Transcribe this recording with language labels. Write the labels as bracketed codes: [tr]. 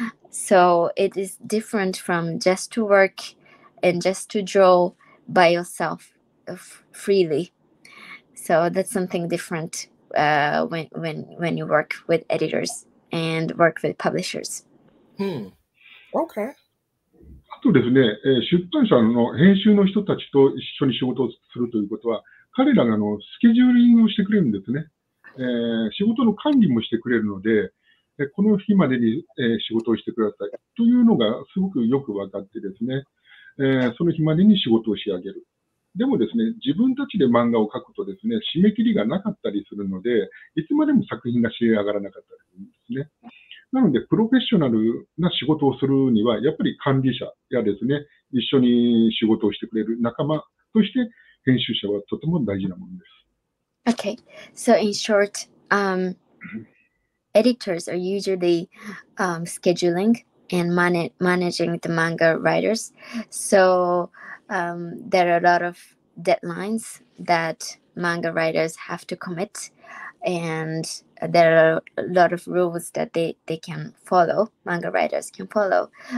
[en] So it is different from just to work and just to draw by yourself freely. So that's something different when you work with editors and work with publishers. Okay. [ja] あとですね、出版社の編集の人たちと一緒に仕事をするということは、彼らがあのスケジューリングをしてくれるんですね。仕事の管理もしてくれるので、この日までに仕事をしてくださいというのがすごくよく分かってですね、その日までに仕事を仕上げる。でもですね、自分たちで漫画を描くとですね、締め切りがなかったりするので、いつまでも作品が仕上がらなかったりするんですね。なので、プロフェッショナルな仕事をするには、やっぱり管理者やですね、一緒に仕事をしてくれる仲間として、編集者はとても大事なものです。 [en] Okay, so in short, editors are usually scheduling and managing the manga writers. So there are a lot of deadlines that manga writers have to commit, and there are a lot of rules that they can follow, manga writers can follow.